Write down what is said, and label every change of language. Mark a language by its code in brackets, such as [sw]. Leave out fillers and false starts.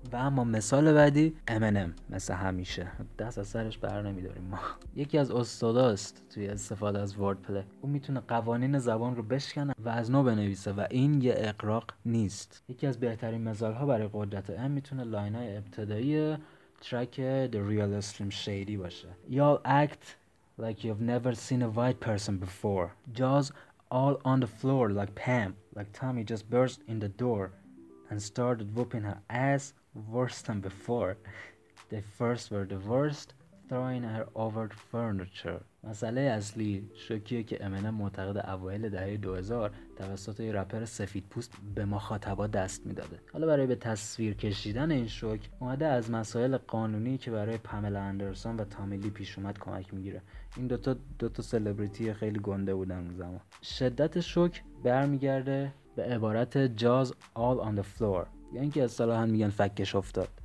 [fa] و اما مثال بعدی M&M مثل همیشه دست از سرش بر نمیداریم ما. یکی از استاداست توی استفاده از وردپلی. اون میتونه قوانین زبان رو بشکنه و از نو بنویسه و این یه اغراق نیست. یکی از بهترین مثالها برای قدرت M میتونه لاینای ابتدایی ترک The Real Slim Shady باشه. [en] Y'all act like you've never seen a white person before. Jaws all on the floor like Pam. Like Tommy just burst in the door and started whooping her ass worse than before. They first were the worst, throwing her over the furniture. [fa] مسئله اصلی شوکیه که امنه معتقد اوائل دهه 2000 توسط یه رپر سفید پوست به مخاطبا دست میداده. حالا برای به تصویر کشیدن این شوک اومده از مسائل قانونی که برای پامل اندرسون و تامیلی پیش اومد کمک میگیره. این دوتا سلبریتی خیلی گنده بودن اون زمان. شدت شوک برمیگرده به عبارت جاز [en] all on the floor، [fa] یعنی که اصطلاحا میگن فکش افتاد.